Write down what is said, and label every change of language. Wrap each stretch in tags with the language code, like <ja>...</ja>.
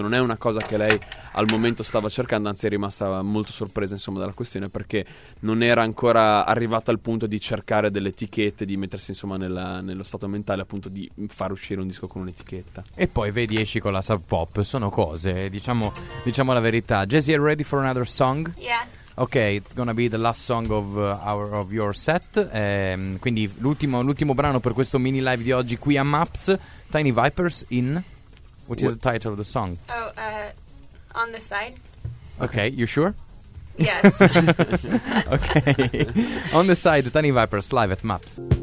<it>Non è una cosa che lei al momento stava cercando, anzi è rimasta molto sorpresa insomma dalla questione, perché non era ancora arrivata al punto di cercare delle etichette, di mettersi insomma nello stato mentale appunto di far uscire un disco con un'etichetta. E poi vedi, esci con la Sub Pop, sono cose, diciamo la verità.</it> <en>Jazzy, are ready for another song? Yeah. Ok, it's gonna be the last song of your set.</en> <it>Quindi l'ultimo brano per questo mini live di oggi qui a MAPS, Tiny Vipers in...</it> <en>What is the title of the song? Oh, On the Side. Okay, you sure? Yes. Okay. On the Side, Tiny Vipers, live at MAPS.</en>